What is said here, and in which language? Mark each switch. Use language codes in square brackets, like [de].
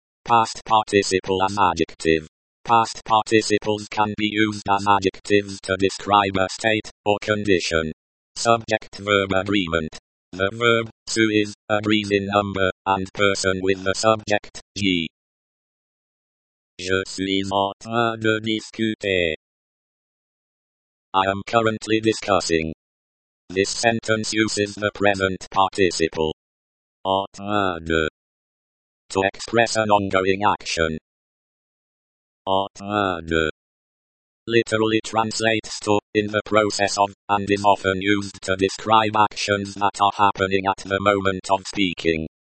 [en] Past participle as adjective. Past participles can be used as adjectives to describe a state or condition. Subject verb agreement. The verb, su is, agrees in number, and person with the subject, j. [fr] Je suis en train de discuter. [en] I am currently discussing. This sentence uses the present participle. [fr] En train de. [en] To express an ongoing action. [fr] En train de. [en] Literally translates to, in the process of, and is often used to describe actions that are happening at the moment of speaking.